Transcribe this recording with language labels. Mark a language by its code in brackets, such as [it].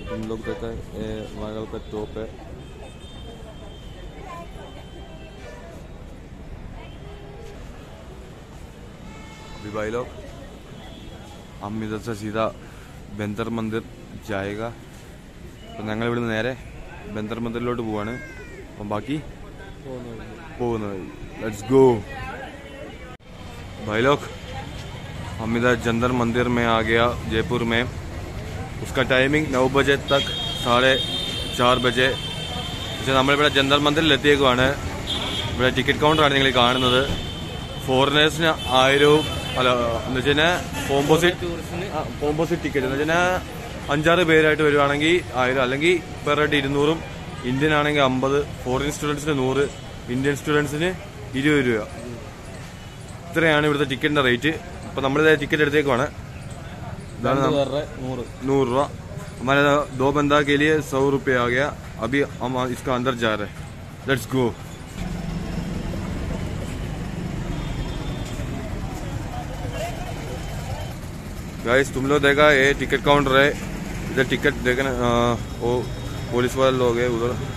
[hi] लोग देखा है मंगल का टॉप है. अभी भाई लोग हम इधर से सीधा बेंदर मंदिर जाएगा. [ml] तो ഞങ്ങളെ ഇവിടെ നേരെ ബന്ദർ മന്ദിരിലോട്ട് പോവാണ്. അപ്പോൾ ബാക്കി പോകുന്നു. [en] let's go [hi] भाई लोग. हम इधर जंदर मंदिर में आ गया जयपुर में. उसका टाइमिंग 9 बजे तक, 4:30 बजे. [ml] പക്ഷെ നമ്മൾ ഇവിടെ ജന്തർ മന്ദിരിൽ എത്തിയേക്കുവാണ്. ഇവിടെ ടിക്കറ്റ് കൗണ്ടർ ആണ് നിങ്ങൾ കാണുന്നത്. ഫോറിനേഴ്സിന് 1000 അല്ല എന്ന് വെച്ചാൽ കോമ്പോസിറ്റ് ടൂറിസ്റ്റിന് കോമ്പോസിറ്റ് ടിക്കറ്റ് എന്ന് വെച്ചാൽ 5-6 പേരായിട്ട് വരുവാണെങ്കിൽ 1000 അല്ലെങ്കിൽ പെർ ഹെഡ് 200. ഇന്ത്യൻ ആണെങ്കിൽ 50, ഫോറിൻ സ്റ്റുഡൻസിന് 100, ഇന്ത്യൻ സ്റ്റുഡൻസിന് 20 രൂപ. ഇത്രയാണ് ഇവിടുത്തെ ടിക്കറ്റിന്റെ റേറ്റ്. അപ്പൊ നമ്മൾ ടിക്കറ്റ് എടുത്തേക്കുവാണ്. [hi] 100 रुपया. हमारे दो बंदा के लिए 100 रुपये आ गया. अभी हम इसका अंदर जा रहे हैं. [en] Let's go. [hi] गाइस तुम लोग देखा ये टिकट काउंटर है. इधर टिकट देखना, वो पुलिस वाले लोग है उधर.